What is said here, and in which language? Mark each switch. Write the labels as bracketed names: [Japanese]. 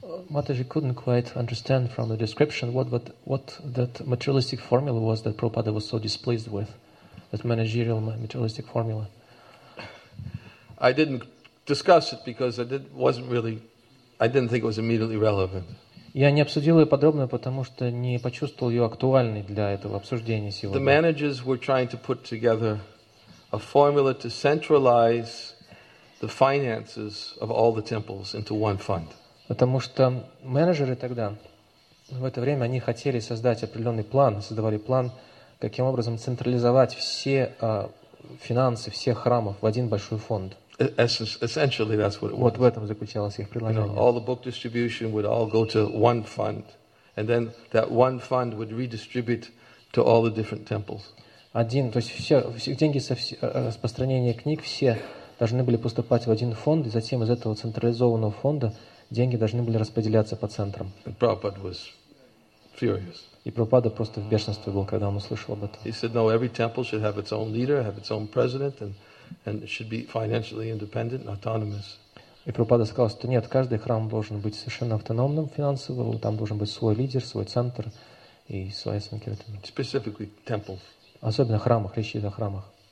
[English] Mataji couldn't quite understand from the description what that materialistic formula was that Prabhupada was so displeased with, that managerial materialistic formula. I didn't discuss it because I didn't think it was immediately relevant. [Russian] Я не обсудил ее подробно, потому что не почувствовал ее актуальной для этого обсуждения сегодня. [English] The managers were trying to put together a formula to centralize the finances of all the temples into one fund. [Russian] Потому что менеджеры тогда, в это время, они хотели создать определенный план, создавали план, каким образом централизовать все финансы всех храмов в один большой фонд. [English] Essentially, that's what it was. [Russian] Вот в этом заключалось их предложение. [English] You know, all the book distribution would all go to one fund, and then that one fund would redistribute to all the different temples. [Russian] Один, то есть все деньги со распространения книг, все должны были поступать в один фонд, и затем из этого централизованного фонда деньги должны были распределяться по центрам. [English] And Prabhupada was furious. [Russian] И Прабхупада просто в бешенстве был, когда он услышал об этом. [English] He said, no, every temple should have its own leader, have its own president, and should be financially independent and autonomous. [Russian] И Прабхупада сказал, что нет, каждый храм должен быть совершенно автономным финансово, там должен быть свой лидер, свой центр и своя санкиртана. [English] Specifically temples. [Russian] Особенно храмах, речь идет о храмах.